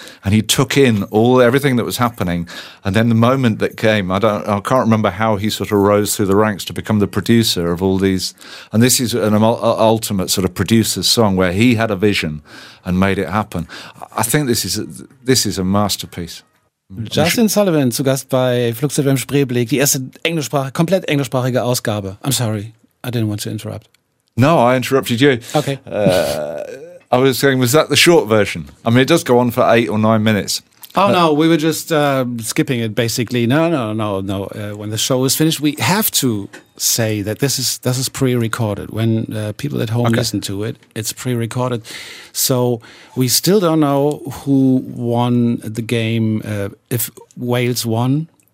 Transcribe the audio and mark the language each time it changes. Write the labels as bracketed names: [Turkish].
[English] And he took in everything that was happening. And then the moment that came, I can't remember how he sort of rose through the ranks to become the producer of all these. And this is an ultimate sort of producer's song where he had a vision and made it happen. I think this is a masterpiece. [German] Justin Sullivan, zu Gast bei Flux FM Spreeblick, die erste komplett englischsprachige Ausgabe. [English] I'm sorry, I didn't want to interrupt. No, I interrupted you. Okay. I was saying, was that the short version? I mean, it does go on for 8 or 9 minutes. Oh, no, we were just skipping it, basically. No. When the show is finished, we have to say that this is pre-recorded. When people at home listen to it, it's pre-recorded. So we still don't know who won the game, if Wales won.